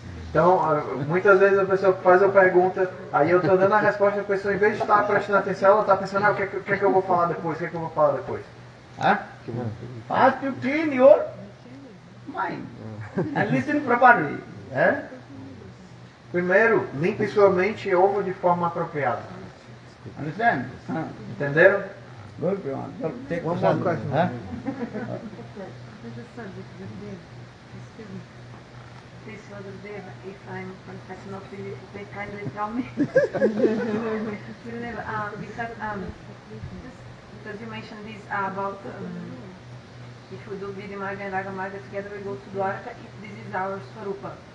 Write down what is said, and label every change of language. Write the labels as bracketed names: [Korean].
[Portuguese] Então, muitas vezes a pessoa faz a pergunta, aí eu estou dando a resposta, a pessoa, em vez de estar prestando atenção, ela está pensando, ah, o que eu vou falar depois, Ah? [English] First you clean your mind and listen properly. [Portuguese] Primeiro, limpe sua mente e ouva de forma apropriada. [English] Understand? [Portuguese] Entenderam? [English] Good, Brian. Take one more question. There's a subject that this other day, if I'm confessing not to you, they kindly tell me. because you mentioned this about if we do Vidimarga and Agamarga together, we go to Dwarka, if this is our Swarupa.